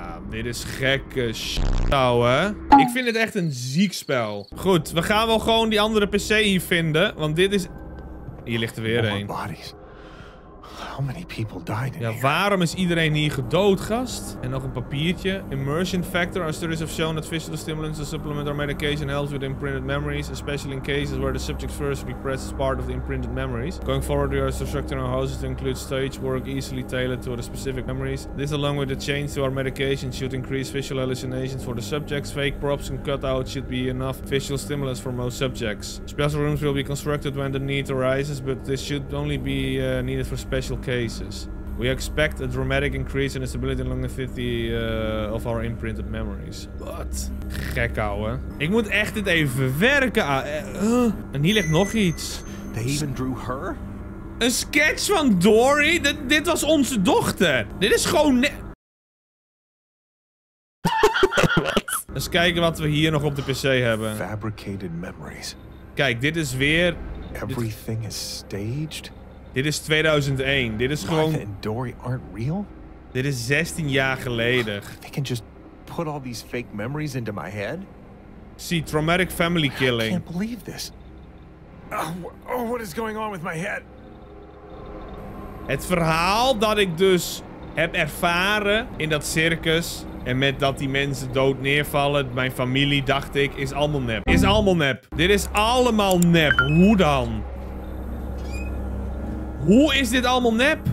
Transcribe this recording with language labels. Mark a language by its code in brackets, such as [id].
[nl] Dit is gekke shit, ouwe. Ik vind het echt een ziek spel. Goed, we gaan wel gewoon die andere PC hier vinden. Want dit is... Hier ligt er weer een. [en] How many people died in [nl] ja, [en] here? [nl] Waarom is iedereen hier gedood, gast? En nog een papiertje. Immersion factor. [en] Our studies have shown that physical stimulants and supplement or medication helps with imprinted memories, especially in cases where the subject first repressed as part of the imprinted memories. Going forward, we are constructing our houses to include stage work easily tailored to the specific memories. This, along with the change to our medication, should increase visual hallucinations for the subjects. Fake props and cutouts should be enough visual stimulants for most subjects. Special rooms will be constructed when the need arises, but this should only be needed for special cases. We expect a dramatic increase in the stability and longevity of our imprinted memories. [nl] Wat? Gek, ouwe. Ik moet echt dit even verwerken. En hier ligt nog iets. [en] They even drew her? [nl] Een sketch van Dory? Dit was onze dochter. Dit is gewoon net... Wat? Eens kijken wat we hier nog op de PC hebben. [en] Fabricated memories. [nl] Kijk, dit is weer... [en] Everything is staged? [nl] Dit is 2001. Dit is gewoon... [en] Martha and Dory aren't real? [nl] Dit is 16 jaar geleden. [en] They can just put all these fake memories into my head? See, traumatic family killing. I can't believe this. Oh, what is going on with my head? [nl] Het verhaal dat ik dus heb ervaren in dat circus... En met dat die mensen dood neervallen, mijn familie, dacht ik, is allemaal nep. Is allemaal nep. Dit is allemaal nep. Hoe dan? Hoe is dit allemaal nep?